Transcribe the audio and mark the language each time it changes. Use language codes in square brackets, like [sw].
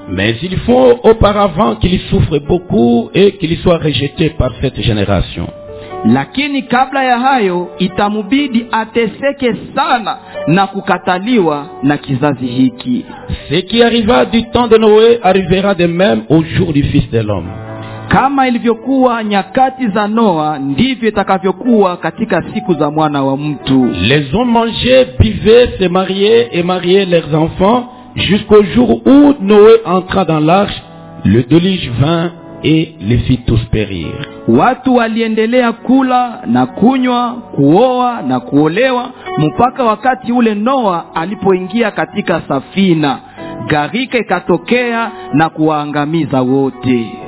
[fr] Mais il faut auparavant qu'il souffre beaucoup et qu'il soit rejeté par cette génération. [sw] Lakini kabla ya hayo itamubidi ateseke sana na kukataliwa na kizazi hiki. [fr] Ce qui arriva du temps de Noé arrivera de même au jour du Fils de l'homme. [sw] Kama ilivyokuwa nyakati za Noa, ndivyo itakavyokuwa katika siku za mwana wa mtu. [fr] Les hommes mangeaient, buvaient, se mariaient et mariaient leurs enfants jusqu'au jour où Noé entra dans l'arche, le déluge vint et les fit tous périr. [sw] Watu waliendelea kula na kunywa, kuoa na kuolewa mpaka wakati ule Noa alipoingia katika safina, gharika ikatokea na kuangamiza wote.